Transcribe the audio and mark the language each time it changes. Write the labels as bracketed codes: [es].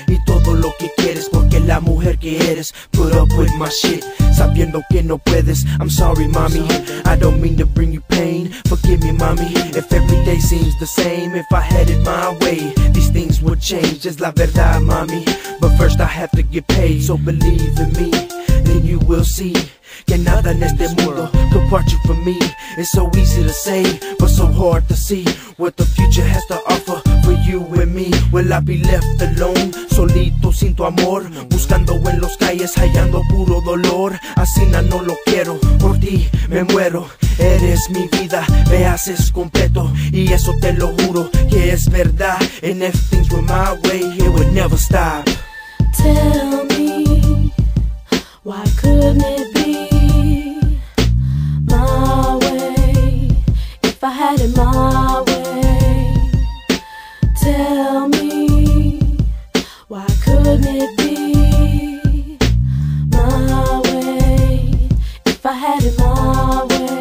[es] Y todo lo que quieres, porque la mujer que eres. [en] Put up with my shit, [es] sabiendo que no puedes. [en] I'm sorry, mommy. I don't mean to bring you pain. Forgive me, mommy. If every day seems the same, if I headed my way, these things would change. [es] Es la verdad, [en] mommy. But first, I have to get paid. So believe in me, then you will see. [es] Que nada en este mundo [en] could part you from me. It's so easy to say, but so hard to see. What the future has to offer for you and me. Will I be left alone, [es] solito sin tu amor? Buscando en los calles, hallando puro dolor. Así na no lo quiero, por ti me muero. Eres mi vida, me haces completo. Y eso te lo juro, que es verdad. [en] And if things were my way, it would never stop. Tell me, why couldn't it be my way, if I had it my way? Tell me, why couldn't it be my way, if I had it my way?